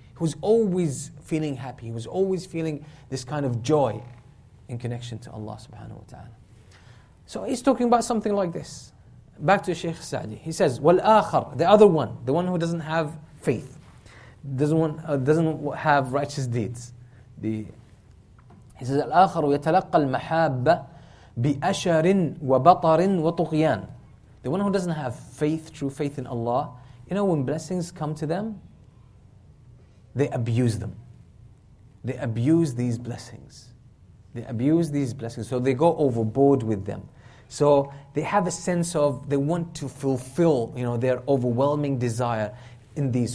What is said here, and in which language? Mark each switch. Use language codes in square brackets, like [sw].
[en] He was always feeling happy. He was always feeling this kind of joy in connection to Allah subhanahu wa ta'ala. So he's talking about something like this. Back to Shaykh Sa'di. He says, وَالْآخَرْ, the other one, the one who doesn't have faith, doesn't have righteous deeds. He says, [ar] الآخر يَتَلَقَّ الْمَحَابَّ بِأَشَرٍ وَبَطَرٍ وَطُغْيَانٍ. [en] The one who doesn't have faith, true faith in Allah, you know, when blessings come to them, they abuse them. They abuse these blessings. They abuse these blessings. So they go overboard with them. So they have a sense of, they want to fulfill, you know, their overwhelming desire. in these.